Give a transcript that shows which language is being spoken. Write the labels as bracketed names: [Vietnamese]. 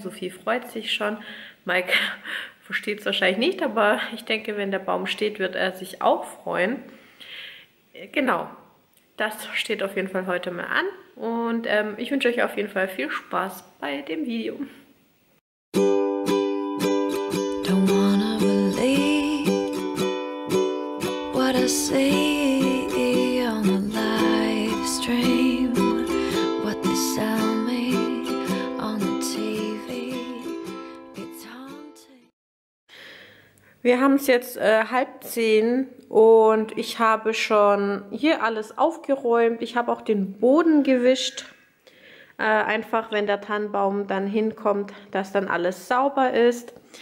[German] Sophie freut sich schon. Mike versteht es wahrscheinlich nicht, aber ich denke, wenn der Baum steht, wird er sich auch freuen. Genau. Das steht auf jeden Fall heute mal an und ich wünsche euch auf jeden Fall viel Spaß bei dem Video. [English] Don't wanna believe what I see on the live stream, what they sell me on the TV. It's haunting. [German] Wir haben es jetzt 9:30 und ich habe schon hier alles aufgeräumt. Ich habe auch den Boden gewischt. Einfach, wenn der Tannenbaum dann hinkommt, dass dann alles sauber ist.